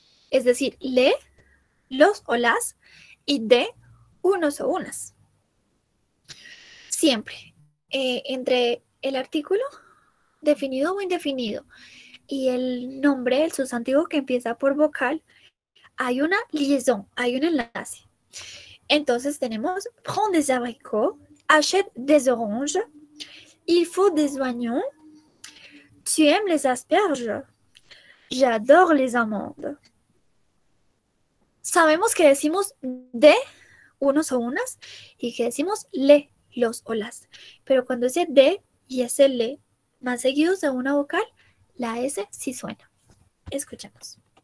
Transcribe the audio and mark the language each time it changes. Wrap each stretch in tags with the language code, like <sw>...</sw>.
<es>Es decir, le, los o las, y de, unos o unas. Siempre, entre el artículo definido o indefinido y el nombre, el sustantivo que empieza por vocal, hay una liaison, hay un enlace. Entonces tenemos,</es> <fr>prends des abricots, achète des oranges, il faut des oignons, tu aimes les asperges, j'adore les amandes.</fr> <es>Sabemos que decimos de, unos o unas, y que decimos le, los o las. Pero cuando dice de y es el le, más seguidos de una vocal, la S sí suena. Escuchemos.</es>